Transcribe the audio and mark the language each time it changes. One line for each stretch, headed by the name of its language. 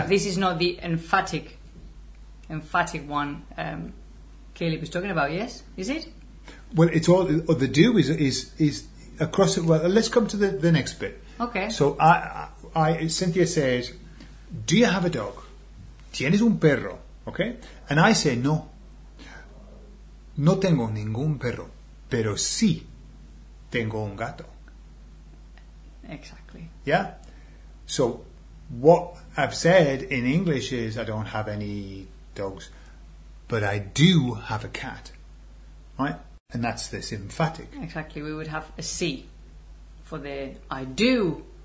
English: But this is not the emphatic one Caleb is talking about, yes? Is it? Well, it's all, the do is across it. Well, let's come to the next bit. Okay. So I Cynthia says, do you have a dog?
Spanish: ¿Tienes un perro?
English: Okay? And I say, no.
Spanish: No tengo ningún perro, pero sí tengo un gato.
English: Exactly. Yeah? So what I've said in English is, I don't have any dogs, but I do have a cat. Right? And that's this emphatic. Exactly. We would have a C for the I do.